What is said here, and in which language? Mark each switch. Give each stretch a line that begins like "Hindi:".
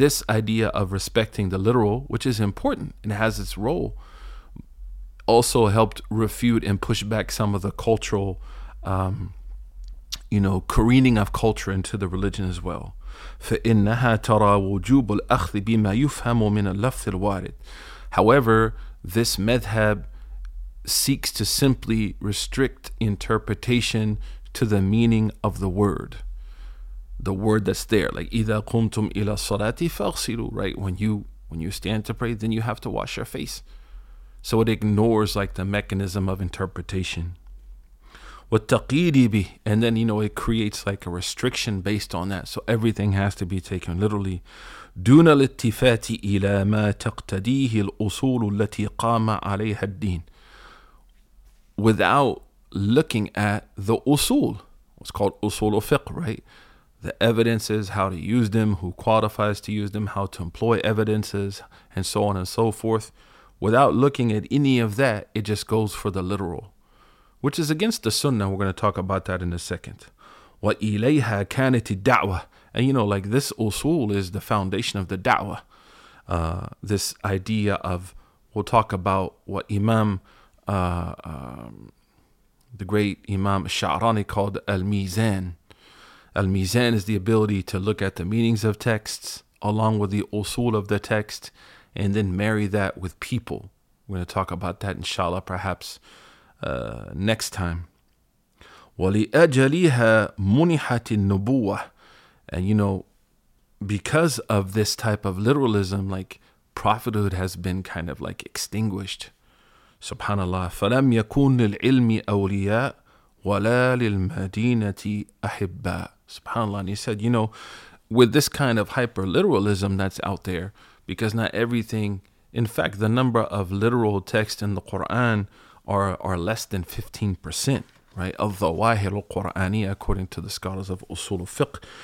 English: This idea of respecting the literal, which is important and has its role, also helped refute and push back some of the cultural, careening of culture into the religion as well.
Arabic: فَإِنَّهَا تَرَى وُجُوبُ الْأَخْذِ بِمَا يُفْهَمُ مِنَ اللَّفْظِ الْوَارِدِ.
English: However, this madhab seeks to simply restrict interpretation to the meaning of the word that's there.
Arabic: Like إِذَا قُمْتُمْ إِلَى الصَّلَاةِ فَاغْسِلُوا.
English: Right, when you stand to pray, then you have to wash your face. So it ignores like the mechanism of interpretation.
Arabic: والتقييد به.
English: And then, you know, it creates like a restriction based on that. So everything has to be taken literally.
Arabic: دون الالتفات إلى ما تقتديه الأصول التي قام عليها الدين.
English: Without looking at the أصول. What's called أصول الفقه, right? The evidences, how to use them, who qualifies to use them, how to employ evidences, and so on and so forth. Without looking at any of that, it just goes for the literal, which is against the sunnah. We're going to talk about that in a second.
Arabic: وَإِلَيْهَا كَانَتِ الدَّعْوَةِ.
English: And you know, like this usul is the foundation of the da'wah. This idea of, we'll talk about what Imam, the great Imam Sha'rani called al-mizan. Al-mizan is the ability to look at the meanings of texts along with the usul of the text and then marry that with people. We're going to talk about that inshallah perhaps next time.
Arabic: ولأجلها منحت النبوة.
English: And you know, because of this type of literalism, like prophethood has been kind of like extinguished.
Arabic: Subhanallah. فلم يكون للعلم أولياء ولا للمدينة أحباء. Subhanallah.
English: And he said, you know, with this kind of hyper literalism that's out there, because not everything, in fact, the number of literal texts in the Quran are less than 15%, right, of the Wahir al-Qur'ani, according to the scholars of Usul al-Fiqh.